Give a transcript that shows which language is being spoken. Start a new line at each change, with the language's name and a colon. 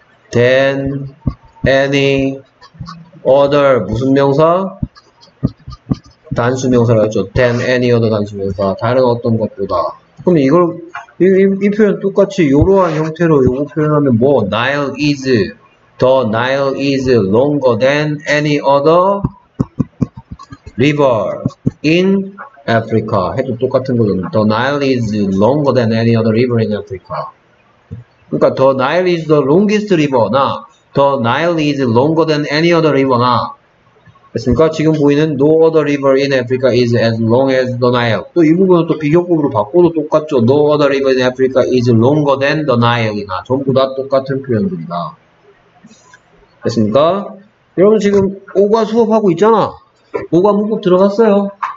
English: than, any, other,
Korean: 무슨 명사? 단수명사라고 했죠.
English: than, any, other,
Korean: 단수명사. 다른 어떤 것보다. 그럼 이걸, 이 표현 똑같이 이러한 형태로 요거 표현하면 뭐?
English: Nile is, the Nile is longer than any other river in Africa.
Korean: 해도 똑같은 거죠.
English: The Nile is longer than any other river in Africa.
Korean: 그러니까
English: The Nile is the longest river나 The Nile is longer than any other river나
Korean: 됐습니까? 지금 보이는
English: No other river in Africa is as long as the Nile.
Korean: 또 이 부분은 또 비교급으로 바꿔도 똑같죠.
English: No other river in Africa is longer than the Nile이나
Korean: 전부 다 똑같은 표현들이다. 됐습니까? 여러분 지금 오가 수업하고 있잖아. 오가 문법 들어갔어요.